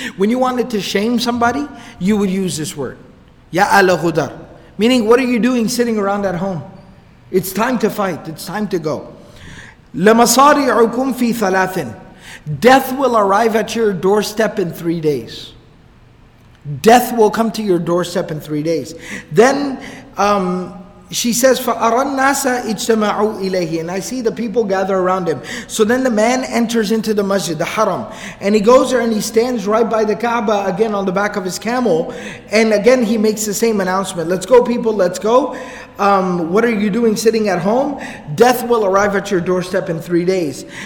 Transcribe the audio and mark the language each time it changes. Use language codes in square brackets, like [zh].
[en] When you wanted to shame somebody, you would use this word. [ar] Ya ala hudar. [en] Meaning, what are you doing sitting around at home? It's time to fight, it's time to go. [ar] لَمَصَارِعُكُمْ فِي ثَلَاثٍ. [en] Death will arrive at your doorstep in 3 days. Death will come to your doorstep in 3 days. Then she says, [ar] فَأَرَى النَّاسَ اِجْتَمَعُوا إِلَيْهِ. [en] And I see the people gather around him. So then the man enters into the masjid, the haram. And he goes there and he stands right by the Kaaba, again on the back of his camel. And again he makes the same announcement. Let's go people, let's go. What are you doing sitting at home? Death will arrive at your doorstep in 3 days.